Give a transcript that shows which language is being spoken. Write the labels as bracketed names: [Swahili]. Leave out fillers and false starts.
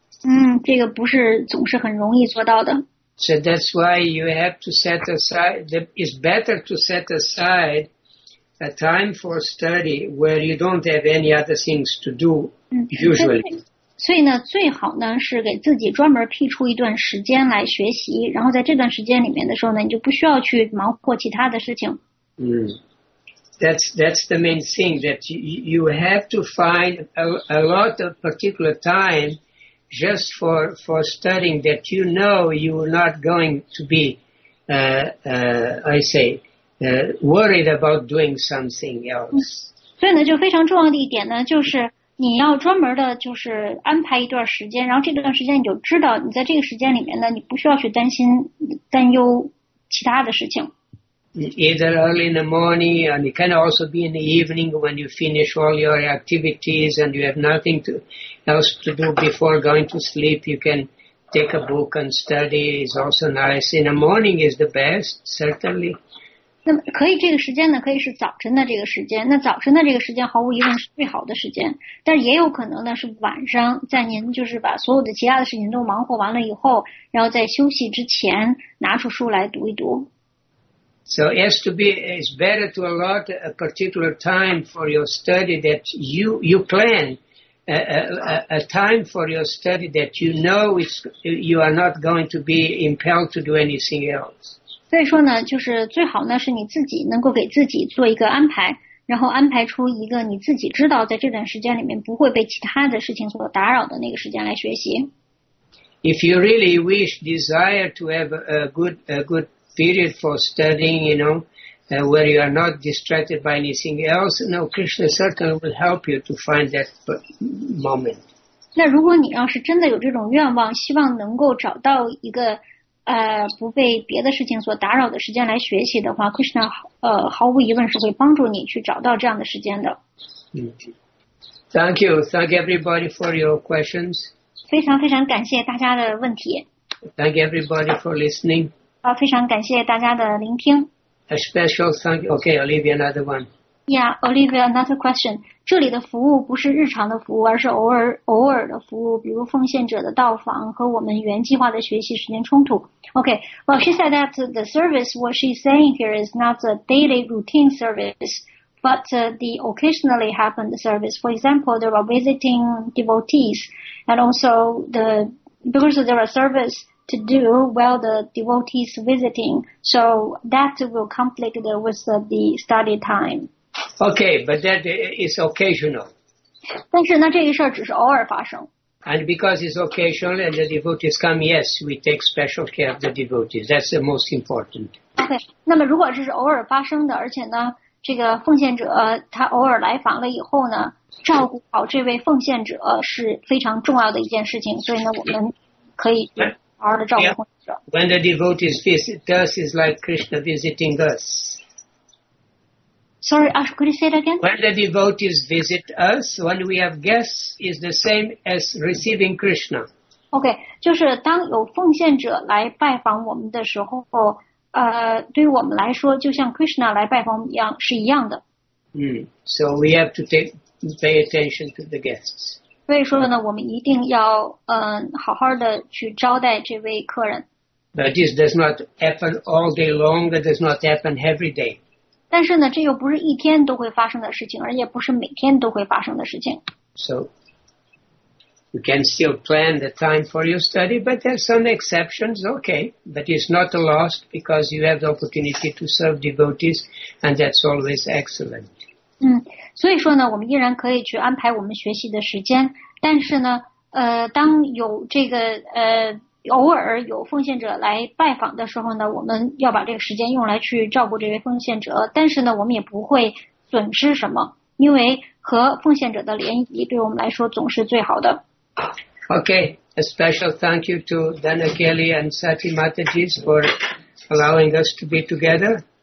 [Chinese] 嗯，这个不是总是很容易做到的。 [English] So that's why you have to set aside. It's better to set aside a time for study where you don't have any other things to do. Usually. [Chinese] 所以呢，最好呢是给自己专门辟出一段时间来学习，然后在这段时间里面的时候呢，你就不需要去忙活其他的事情。嗯。 [English] That's the main thing, that you have to find a lot of particular time just for studying that you know you're not going to be, worried about doing something else. [Chinese] 所以呢，就非常重要的一点呢，就是你要专门的就是安排一段时间，然后这段时间你就知道你在这个时间里面呢，你不需要去担忧其他的事情。 [English] Either early in the morning, and it can also be in the evening when you finish all your activities and you have nothing else to do before going to sleep, you can take a book and study. It's also nice. In the morning is the best, certainly. [Chinese] 那可以这个时间呢，可以是早晨的这个时间。那早晨的这个时间毫无疑问是最好的时间。但也有可能呢是晚上，在您就是把所有的其他的事情都忙活完了以后，然后在休息之前拿出书来读一读。 [English] So it has to be, it's better to allot a particular time for your study that you plan a time for your study that you know you are not going to be impelled to do anything else. [Chinese] 所以说呢，就是最好呢是你自己能够给自己做一个安排，然后安排出一个你自己知道在这段时间里面不会被其他的事情所打扰的那个时间来学习。 [English] If you really wish, desire to have a good period for studying, you know, where you are not distracted by anything else. No, Krishna certainly will help you to find that moment. [Chinese] 那如果你要是真的有这种愿望，希望能够找到一个不被别的事情所打扰的时间来学习的话 ，Krishna 毫无疑问是会帮助你去找到这样的时间的。 [English] 嗯 ，Thank you, thank everybody for your questions. [Chinese] 非常非常感谢大家的问题。 [English] Thank everybody for listening. [Chinese] 非常感谢大家的聆听。 [English] A special thank you. Okay, Olivia, another one. Yeah, Olivia, another question. [Chinese] 这里的服务不是日常的服务，而是偶尔的服务，比如奉献者的到访和我们原计划的学习时间冲突。 [English] Okay, well, she said that the service, what she's saying here is not a daily routine service, but the occasionally happened service. For example, there were visiting devotees, and also because there are service,to do while the devotees visiting, so that will conflict with the study time. Okay, but that is occasional. [Chinese] 但是呢，这个事儿只是偶尔发生。 [English] And because it's occasional and the devotees come, yes, we take special care of the devotees. That's the most important. [Chinese] Okay, 那么如果这是偶尔发生的，而且呢，这个奉献者他偶尔来访了以后呢，照顾好这位奉献者是非常重要的一件事情。所以呢，我们可以。 Yeah. [English] When the devotees visit us, it's like Krishna visiting us. Sorry, Ash, could you say it again? When the devotees visit us, when we have guests, is the same as receiving Krishna. [Chinese] Okay, 就是当有奉献者来拜访我们的时候，对于我们来说，就像 Krishna 来拜访我们一样，是一样的。 [English] So we have to pay attention to the guests. [Chinese] 所以说呢，我们一定要好好的去招待这位客人。 [English] But this does not happen all day long. It does not happen every day. [Chinese] 但是呢，这又不是一天都会发生的事情，而也不是每天都会发生的事情。 [English] So. You can still plan the time for your study, but there are some exceptions, okay. But it's not a loss because you have the opportunity to serve devotees, and that's always excellent. [Chinese] 所以说呢，我们依然可以去安排我们学习的时间，但是呢，当有这个偶尔有奉献者来拜访的时候呢，我们要把这个时间用来去照顾这位奉献者，但是呢，我们也不会损失什么，因为和奉献者的联谊对我们来说总是最好的。 [English] Okay, a special thank you to Dana Kelly and Sati Mataji for allowing us to be together.